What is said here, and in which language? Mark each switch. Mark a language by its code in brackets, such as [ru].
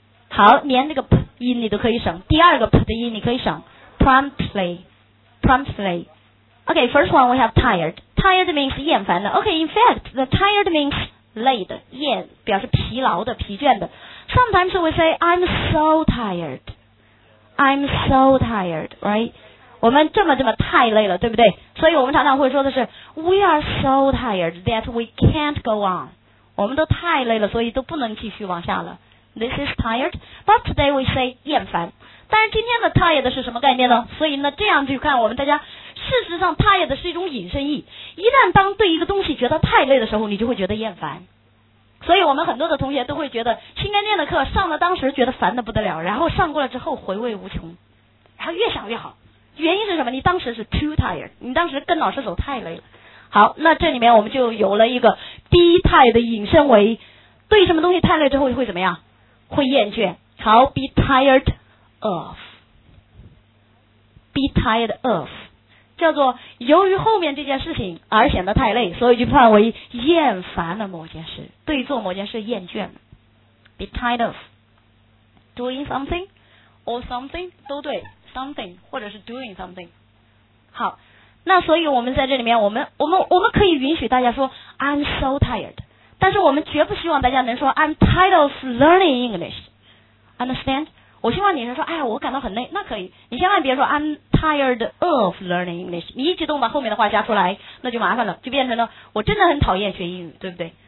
[zh] 好，连这个 p 音你都可以省，第二个 p 的音你可以省 promptly. [en] Okay, first one we have tired. Tired means [zh] 厌烦的。 [en] Okay, in fact, the tired means laid, [zh] 厌表示疲劳的、疲倦的。 [en] Sometimes we say, I'm so tired, right? [zh] 我们这么太累了，对不对？所以我们常常会说的是 [en] We are so tired that we can't go on. [zh] 我们都太累了，所以都不能继续往下了。 [en] This is tired. But today we say [zh] 厌烦。但是今天的 tired 是什么概念呢？所以呢，这样去看我们大家，事实上 tired 是一种引申义。一旦当对一个东西觉得太累的时候，你就会觉得厌烦。所以我们很多的同学都会觉得新概念的课上了，当时觉得烦得不得了，然后上过了之后回味无穷，然后越想越好。原因是什么？你当时是 [en] too tired, [zh] 你当时跟老师走太累了。好，那这里面我们就有了一个 be tired 引申为对什么东西太累之后会怎么样？会厌倦。好， be tired of 叫做由于后面这件事情而显得太累，所以就判为厌烦了某件事，对做某件事厌倦。 [en] be tired of doing something or something [zh] 都对，something 或者是 doing something。好，那所以我们在这里面我们可以允许大家说 [en] I'm so tired, [zh] 但是我们绝不希望大家能说 [en] I'm tired of learning English, understand? [zh] 我希望你能说哎，我感到很累，那可以，你千万别说 [en] I'm tired of learning English, [zh] 你一激动把后面的话加出来那就麻烦了，就变成了我真的很讨厌学英语，对不对？